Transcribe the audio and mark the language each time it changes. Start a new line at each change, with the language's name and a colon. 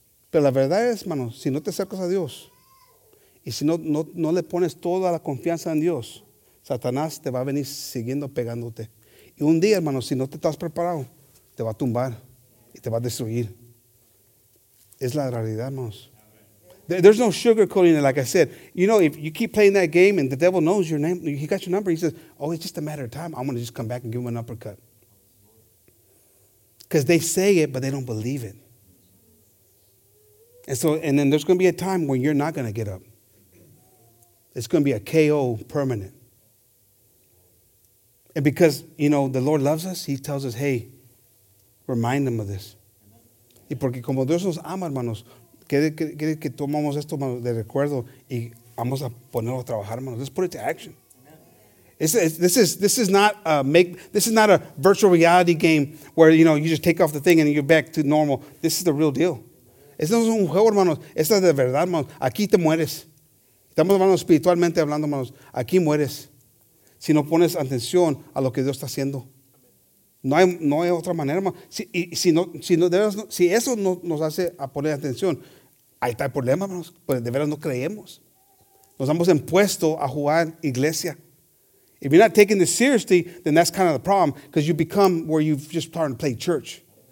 Spanish: Pero la verdad es, hermano, si no te acercas a Dios y si no le pones toda la confianza en Dios, Satanás te va a venir siguiendo pegándote. Y un día, hermano, si no te estás preparado, te va a tumbar y te va a destruir. Es la realidad, hermanos.
English: There's no sugarcoating it, like I said. You know, if you keep playing that game and the devil knows your name, he got your number, he says, oh, it's just a matter of time. I'm going to just come back and give him an uppercut. Because they say it, but they don't believe it. And then there's going to be a time when you're not going to get up. It's going to be a KO permanent. And because, you know, the Lord loves us, he tells us, hey, remind them of this.
Spanish: Y porque como Dios nos ama, hermanos, quiere que tomamos esto de recuerdo y vamos a ponerlo a trabajar, hermanos.
English: Let's put it to action. This is not a virtual reality game where, you know, you just take off the thing and you're back to normal. This is the real deal.
Spanish: Esto no es un juego, hermanos. Esto es de verdad, hermanos. Aquí te mueres. Estamos hablando espiritualmente, hablando, hermanos. Aquí mueres. Si no pones atención a lo que Dios está haciendo. No hay otra manera, hermano. Si eso no nos hace a poner atención, ahí está el problema, hermanos. Pues de veras no creemos. Nos hemos impuesto a jugar iglesia.
English: If you're not taking this seriously, then that's kind of the problem, because you become where you've just started to play church.